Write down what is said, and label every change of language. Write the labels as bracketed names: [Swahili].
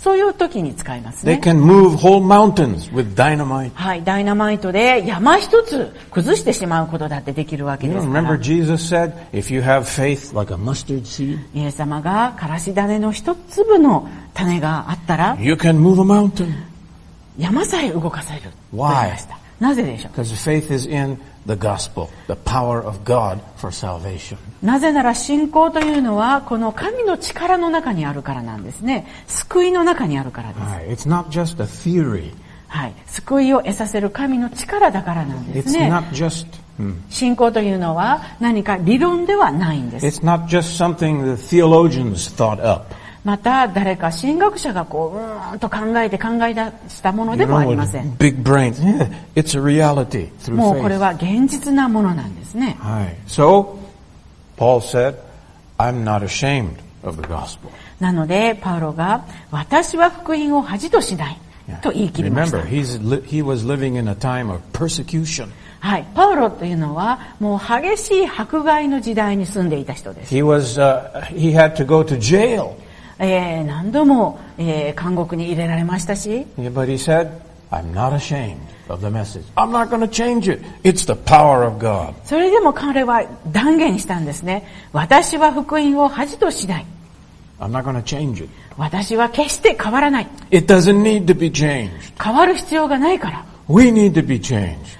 [Japanese] そういう時に使いますね。 [English] They can move whole mountains with dynamite. [Japanese] はい、ダイナマイトで山一つ崩してしまうことだってできるわけですから。 [English] You remember Jesus said, if you have faith like a mustard seed, [Japanese] イエス様がからし種の一粒の種があったら、 [English] you can move a mountain. [Japanese] 山さえ動かせると言いました。 [English] Why? [Japanese] なぜでしょう? [English] Because faith is in the gospel, the power of God for salvation. [Japanese] なぜなら信仰というのはこの神の力の中にあるからなんですね。救いの中にあるからです。 [English] Right. It's not just a theory. [Japanese] はい。救いを得させる神の力だからなんですね。 [English] It's not just, [Japanese] 信仰というのは何か理論ではないんです。 [English] It's not just something the theologians thought up. [Japanese] また誰か神学者がこう、うーんと考え出したものでもありません。 [English] Big brain. Yeah. It's a reality through [Japanese] faith. もうこれは現実なものなんですね。はい。 [English] So, Paul said, I'm not ashamed of the gospel. [Japanese] なので、パウロが、私は福音を恥としない。と言い切りました。 [English] Remember, he was living in a time of persecution. [Japanese] はい、パウロというのはもう激しい迫害の時代に住んでいた人です。 [English] he had to go to jail. [Japanese] 何度も、監獄に入れられましたし、 [English] yeah, but he said, I'm not ashamed of the message. I'm not going to change it. It's the power of God. [Japanese] それでも彼は断言したんですね。私は福音を恥としない。 [English] I'm not going to change it. [Japanese] 私は決して変わらない。 [English] It doesn't need to be changed. [Japanese] 変わる必要がないから。 [English] We need to be changed.